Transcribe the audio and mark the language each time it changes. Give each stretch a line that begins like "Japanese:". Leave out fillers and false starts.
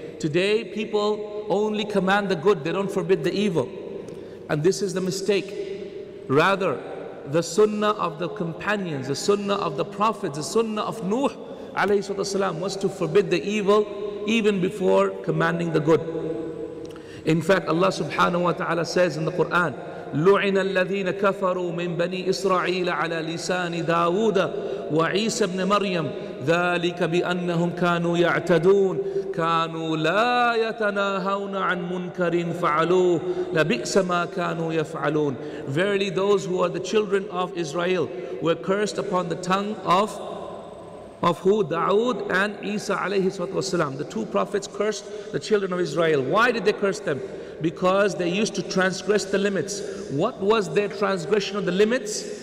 English: Today, people only command the good, they don't forbid the evil. And this is the mistake. Rather, the sunnah of the companions, the sunnah of the prophets, the sunnah of Nuh alayhi salatu wasalam was to forbid the evil even before commanding the good. In fact, Allah subhanahu wa ta'ala says in the Quran,
Arabic: لُعِنَ الَّذِينَ كَفَرُوا مِنْ بَنِي إِسْرَعِيلَ عَلَى لِسَانِ دَاوُودَ وَعِيسَ بْنِ مَرْيَمْ ذَلِكَ بِأَنَّهُمْ كَانُوا يَعْتَدُونَ كَانُوا لَا يَتَنَاهَوْنَ عَنْ مُنْكَرٍ فَعَلُوهُ لَبِئْسَ مَا كَانُوا يَفْعَلُونَ.
English: Verily those who are the children of Israel were cursed upon the tongue of who? Dawood and Isa alayhi salatu wasalam. The two prophets cursed the children of Israel. Why did they curse them? Because they used to transgress the limits. What was their transgression of the limits?